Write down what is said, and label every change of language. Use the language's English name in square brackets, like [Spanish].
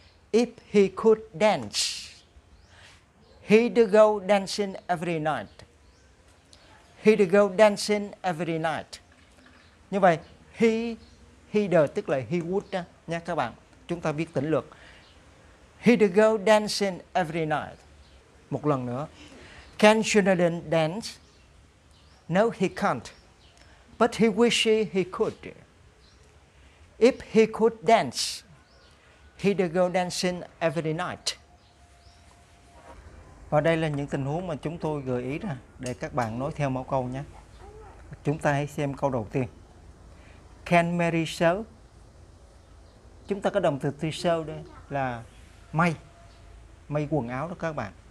[English] If he could dance, he'd go dancing every night. He'd go dancing every night. [Vietnamese] Như vậy, he'd tức là he would nha các bạn. Chúng ta viết tỉnh lược. [English] He'd go dancing every night. [Vietnamese] Một lần nữa. [English] Can Sheldon dance? No, he can't. But he wishes he could. If he could dance, he'd go dancing every night. [Vietnamese] Và đây là những tình huống mà chúng tôi gợi ý ra để các bạn nói theo mẫu câu nhé. Chúng ta hãy xem câu đầu tiên. [English] Can Mary sew? [Vietnamese] Chúng ta có động từ to sew đây là may. May quần áo đó các bạn.